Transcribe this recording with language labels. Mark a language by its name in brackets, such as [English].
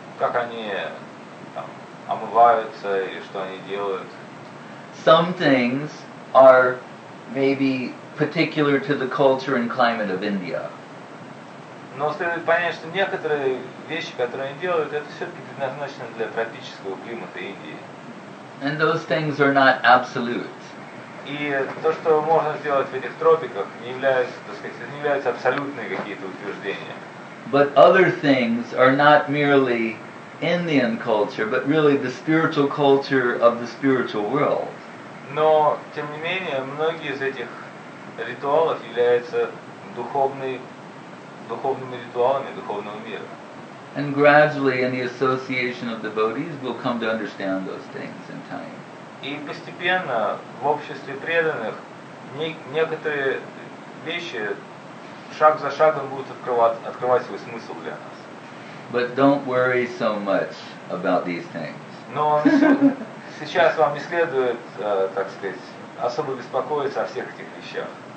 [Russian] Как они там омываются и что они делают. [English] Some things are maybe particular to the culture and climate of India. [Russian] Но следует понять, что некоторые вещи, которые они делают, это все-таки предназначено для тропического климата Индии. [English] And those things are not absolute. [Russian] И то, что можно сделать в этих тропиках, не является, так сказать, не являются абсолютные какие-то утверждения. [English] But other things are not merely Indian culture, but really the spiritual culture of the spiritual world. [Russian] Но, тем не менее, многие из этих ритуалов являются духовными ритуалами духовного мира. [English] And gradually, in the association of devotees, we'll come to understand those things in time. [Russian] И постепенно в обществе преданных некоторые вещи шаг за шагом будут открывать свой смысл для нас. [English] But don't worry so much about these things. [Russian] Но сейчас вам не следует, так сказать, особо беспокоиться о всех этих вещах.